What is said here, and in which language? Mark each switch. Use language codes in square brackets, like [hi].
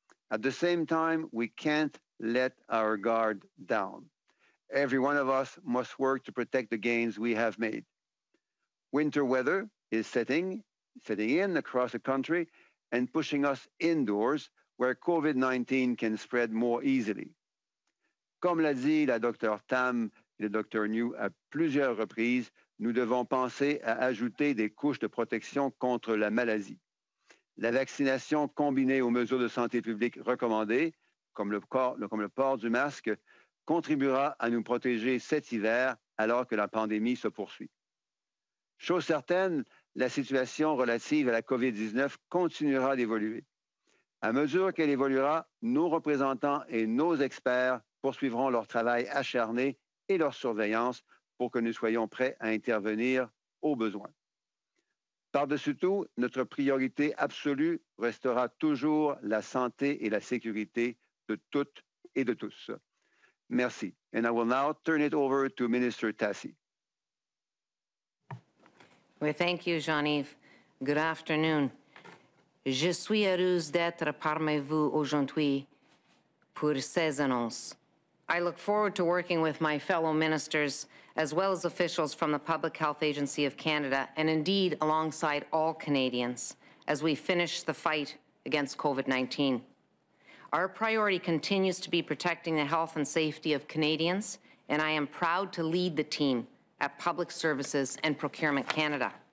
[en] At the same time, we can't let our guard down. Every one of us must work to protect the gains we have made. Winter weather is setting in across the country and pushing us indoors where COVID-19 can spread more easily. [fr] Comme l'a dit la Dr. Tam et le Dr. Njoo à plusieurs reprises, nous devons penser à ajouter des couches de protection contre la maladie. La vaccination combinée aux mesures de santé publique recommandées, comme le port du masque, contribuera à nous protéger cet hiver alors que la pandémie se poursuit. Chose certaine, la situation relative à la COVID-19 continuera d'évoluer. À mesure qu'elle évoluera, nos représentants et nos experts poursuivront leur travail acharné et leur surveillance pour que nous soyons prêts à intervenir au besoin. Par-dessus tout, notre priorité absolue restera toujours la santé et la sécurité de toutes et de tous. Merci. [en] And I will now turn it over to Minister Tassi. Well, thank you, Jean-Yves. Good afternoon. [fr] Je suis heureuse d'être parmi vous aujourd'hui pour ces annonces. [en] I look forward to working with my fellow ministers, as well as officials from the Public Health Agency of Canada, and indeed alongside all Canadians, as we finish the fight against COVID-19. Our priority continues to be protecting the health and safety of Canadians, and I am proud to lead the team at Public Services and Procurement Canada.